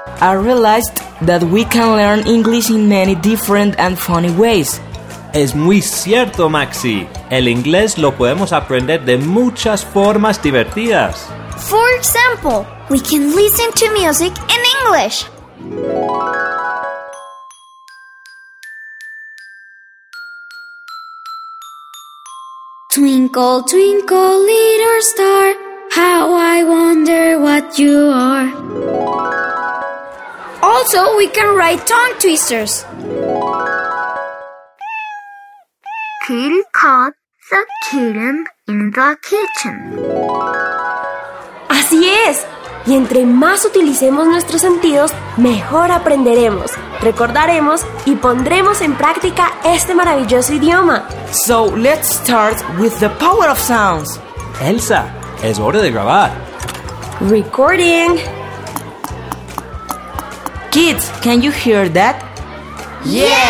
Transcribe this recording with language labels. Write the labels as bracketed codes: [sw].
[en] I realized that we can learn English in many different and funny ways. [es] Es muy cierto, Maxi. El inglés lo podemos aprender de muchas formas divertidas. [en] For example, we can listen to music in English. Twinkle, twinkle, little star, how I wonder what you are. Also, we can write tongue twisters. Kitty caught the kitten in the kitchen. [es] ¡Así es! Y entre más utilicemos nuestros sentidos, mejor aprenderemos, recordaremos y pondremos en práctica este maravilloso idioma. [en] So, let's start with the power of sounds. [es] Elsa, es hora de grabar. [en] Recording. Kids, can you hear that? Yeah!